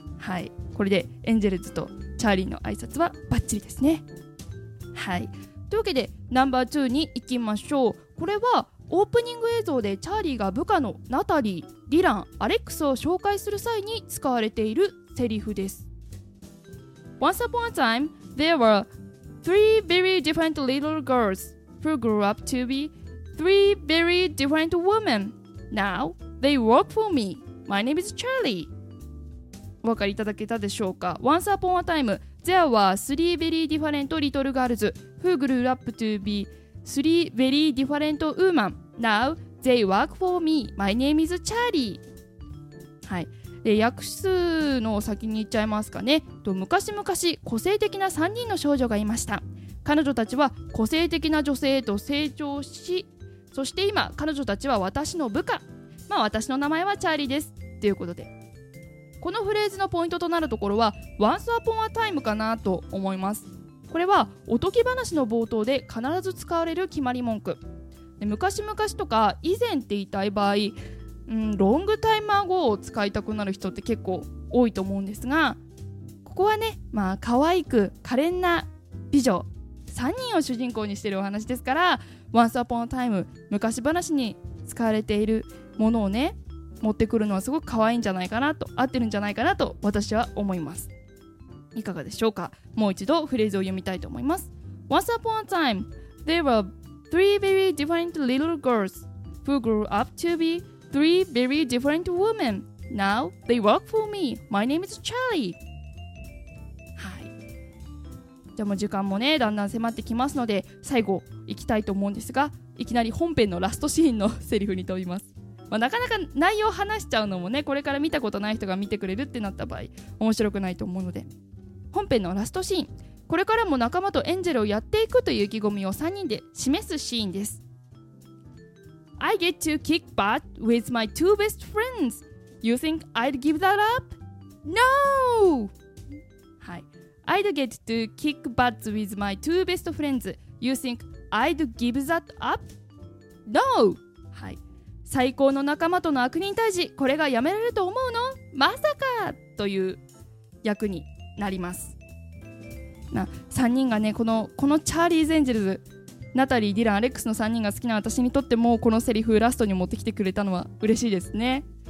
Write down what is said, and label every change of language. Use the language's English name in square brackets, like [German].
[Japanese] はい、これでエンジェルズとチャーリーの挨拶はバッチリですね。はい、というわけでナンバー2に行きましょう。これはオープニング映像でチャーリーが部下のナタリー、ディラン、アレックスを紹介する際に使われているセリフです。 [English] Once upon a time, there were three very different little girls who grew up to be three very different women. Now, they work for me. My name is Charlie. [Japanese] お分かりいただけたでしょうか。 [English] Once upon a time, there were three very different little girls who grew up to be three very different women. Now, they work for me. My name is Charlie. [Japanese] はい。で、訳数の先に言っちゃいますかね。と、昔々、個性的な3人の少女がいました。彼女たちは個性的な女性と成長し、そして今彼女たちは私の部下、まあ私の名前はチャーリーですということで、このフレーズのポイントとなるところは [English] Once upon a time [Japanese] かなと思います。これはおとぎ話の冒頭で必ず使われる決まり文句で、昔々とか以前って言いたい場合、ロングタイマー語を使いたくなる人って結構多いと思うんですが、ここはね、まあ可愛く可憐な美女3人を主人公にしているお話ですから、 [English] Once upon a time [Japanese] 昔話に使われているものをね持ってくるのはすごく可愛いんじゃないかなと、合ってるんじゃないかなと私は思います。いかがでしょうか。もう一度フレーズを読みたいと思います。 [English] Once upon a time there were three very different little girls who grew up to be three very different women. Now they work for me. My name is Charlie. [Japanese] じゃあもう時間もねだんだん迫ってきますので最後いきたいと思うんですが、いきなり本編のラストシーンのセリフに飛びます。まあ、なかなか内容話しちゃうのもね、これから見たことない人が見てくれるってなった場合面白くないと思うので、本編のラストシーン、これからも仲間とエンジェルをやっていくという意気込みを3人で示すシーンです。 [English] I get to kick butt with my two best friends. You think I'd give that up? No! I'd get to kick butts with my two best friends. You think I'd give that up? No! [Japanese] はい。最高の仲間との悪人退治、これがやめられると思うの？まさか！という役になります。な、3人がね、このチャーリーズ・エンジェルズ、ナタリー、ディラン、アレックスの3人が好きな私にとっても、このセリフラストに持ってきてくれたのは嬉しいですね。